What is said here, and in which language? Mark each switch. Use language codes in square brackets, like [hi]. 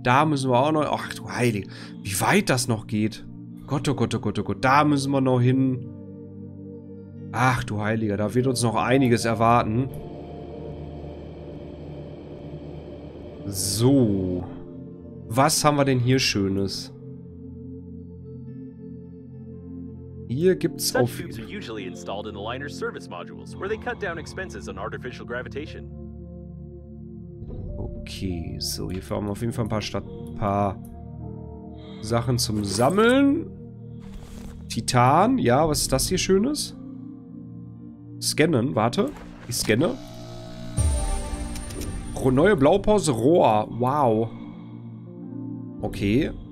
[de] Da müssen wir auch noch... Ach du Heilige. Wie weit das noch geht. Gott, oh Gott, oh Gott, oh Gott. Da müssen wir noch hin. Ach du Heilige. Da wird uns noch einiges erwarten. So. Was haben wir denn hier Schönes? Hier gibt's auf... [en] Such tubes are usually installed in the liner's service modules, where they cut down expenses on artificial gravitation. [de] Okay, so, hier fahren wir auf jeden Fall ein paar Sachen zum Sammeln. Titan, ja, was ist das hier Schönes? Scannen, warte. Ich scanne. Neue Blaupause Rohr, wow. Okay.